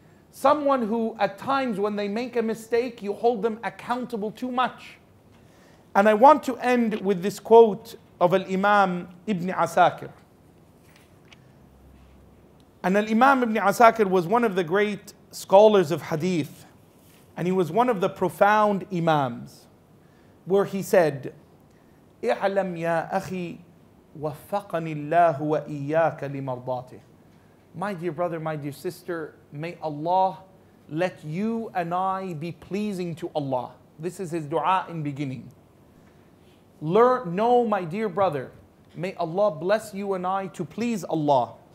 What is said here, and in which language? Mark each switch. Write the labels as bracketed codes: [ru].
[en] Someone who at times when they make a mistake, you hold them accountable too much. And I want to end with this quote of Al-Imam Ibn Asakir. And Al-Imam Ibn Asakir was one of the great scholars of hadith. And he was one of the profound imams. Where he said, [ar] اعلم يا أخي وفقني الله وإياك لمرضاته. [en] My dear brother, my dear sister, may Allah let you and I be pleasing to Allah. This is his dua in beginning. Know, my dear brother, may Allah bless you and I to please Allah.